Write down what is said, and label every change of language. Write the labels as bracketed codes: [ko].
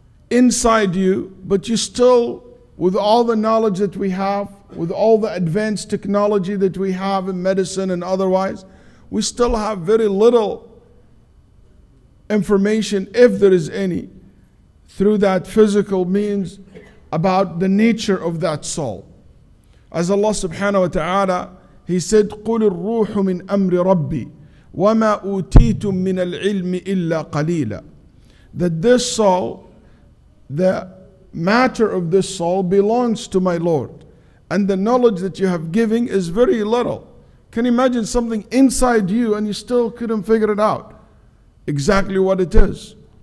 [en] inside you, but you still, with all the knowledge that we have, with all the advanced technology that we have in medicine and otherwise, we still have very little information, if there is any, through that physical means about the nature of that soul. As Allah subhanahu wa ta'ala, He said, [ar] قُلِ الرُّوحُ مِنْ أَمْرِ رَبِّي وَمَا أُوتِيتُم مِّنَ الْعِلْمِ إِلَّا قَلِيلًا. [en] That this soul, the matter of this soul belongs to my Lord. And the knowledge that you have given is very little. Can you imagine something inside you and you still couldn't figure it out exactly what it is?